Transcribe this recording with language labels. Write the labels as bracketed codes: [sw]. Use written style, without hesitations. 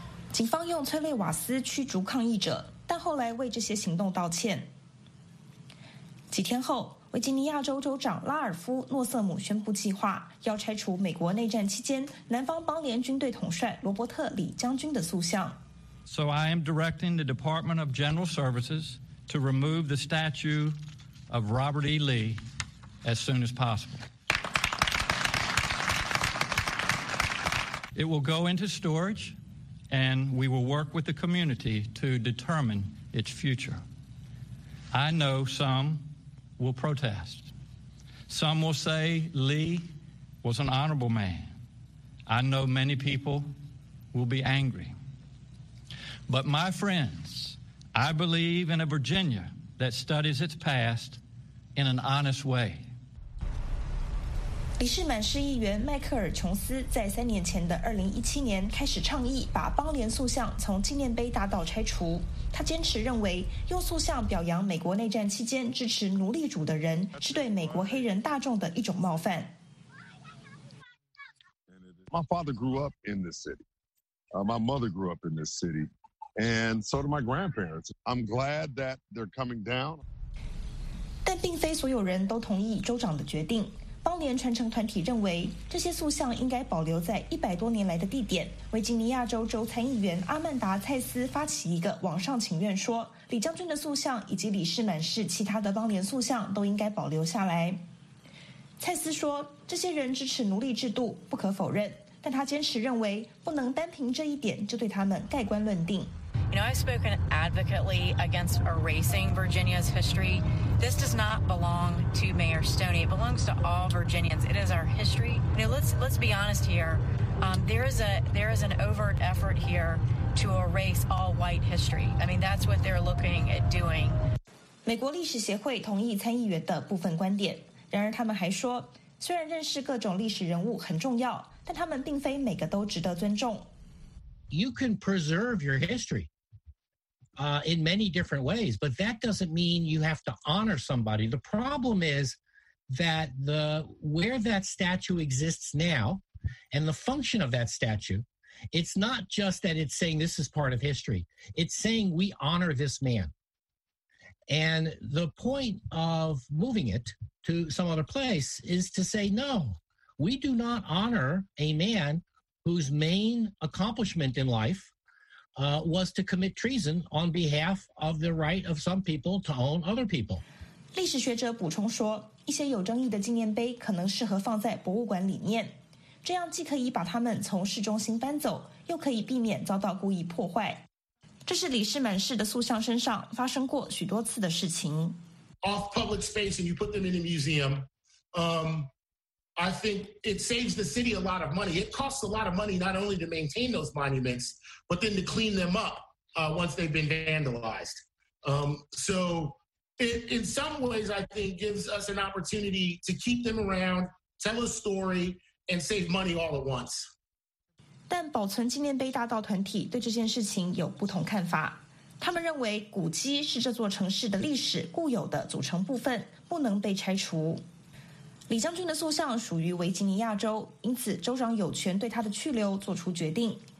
[zh] 警方用催泪瓦斯驱逐抗议者，但后来为这些行动道歉。几天后，维吉尼亚州州长拉尔夫·诺瑟姆宣布计划要拆除美国内战期间南方邦联军队统帅罗伯特·李将军的塑像。 [en] So I am directing the Department of General Services to remove the statue of Robert E. Lee as soon as possible. It will go into storage. And we will work with the community to determine its future. I know some will protest. Some will say Lee was an honorable man. I know many people will be angry. But my friends, I believe in a Virginia that studies its past in an honest way. [zh] 里士满市议员迈克尔·琼斯在三年前的2017年开始倡议把邦联塑像从纪念碑大道拆除。他坚持认为，用塑像表扬美国内战期间支持奴隶主的人是对美国黑人大众的一种冒犯。 [en] My father grew up in this city. My mother grew up in this city. And so do my grandparents. I'm glad that they're coming down. [zh] 但并非所有人都同意州长的决定。邦联传承团体认为，这些塑像应该保留在100多年来的地点。维吉尼亚州州参议员阿曼达·蔡斯发起一个网上请愿，说李将军的塑像以及里士满市其他的邦联塑像都应该保留下来。蔡斯说，这些人支持奴隶制度不可否认，但他坚持认为不能单凭这一点就对他们盖棺论定。 [en] You know, I've spoken advocately against erasing Virginia's history. This does not belong to Mayor Stoney. It belongs to all Virginians. It is our history. You know, let's be honest here. There is an overt effort here to erase all white history. I mean, that's what they're looking at doing. [zh] 美国历史协会同意参议员的部分观点，然而他们还说，虽然认识各种历史人物很重要，但他们并非每个都值得尊重。 [en] You can preserve your history, in many different ways, but that doesn't mean you have to honor somebody. The problem is that the where that statue exists now, and the function of that statue, it's not just that it's saying this is part of history. It's saying we honor this man. And the point of moving it to some other place is to say, no, we do not honor a man whose main accomplishment in life, was to commit treason on behalf of the right of some people to own other people. [zh] 历史学者补充说，一些有争议的纪念碑可能适合放在博物馆里面，这样既可以把它们从市中心搬走，又可以避免遭到故意破坏。这是李士满氏的塑像身上发生过许多次的事情。 [en] Off public space and you put them in a museum, I think it saves the city a lot of money. It costs a lot of money not only to maintain those monuments, but then to clean them up, once they've been vandalized. So it, in some ways, I think gives us an opportunity to keep them around, tell a story, and save money all at once. [zh] 但保存纪念碑大道团体对这件事情有不同看法，他们认为古迹是这座城市的历史固有的组成部分，不能被拆除。李将军的塑像属于维吉尼亚州，因此州长有权对他的去留做出决定。